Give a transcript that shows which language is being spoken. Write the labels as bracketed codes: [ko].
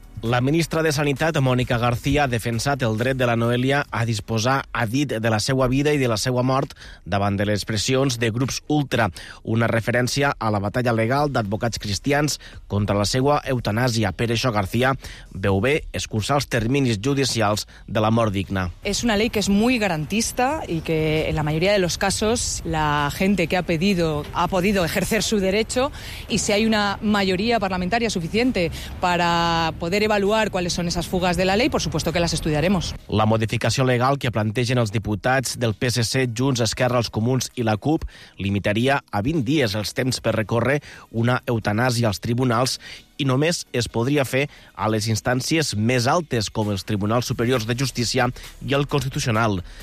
[ca] La ministra de Sanitat, Mònica García, ha defensat el dret de la Noelia a disposar, ha dit, de la seva vida i de la seva mort davant de les pressions de grups ultra. Una referència a la batalla legal d'advocats cristians contra la seva eutanàsia. Per això García veu bé escurçar els terminis judicials de la mort digna. És una llei que és molt garantista i que en la majoria de [es] los casos la gente que ha pedido ha podido ejercer su derecho, y si hay una mayoría parlamentaria suficiente para poder evaluar cuáles son esas fugas de la ley, por supuesto que las estudiaremos. [ca] La modificació legal que plantegen els diputats del PSC, Junts, Esquerra, els Comuns i la CUP limitaria a 20 dies els temps per recórrer una eutanàsia als tribunals i només es podria fer a les instàncies més altes, com els Tribunals Superiors de Justícia i el Constitucional.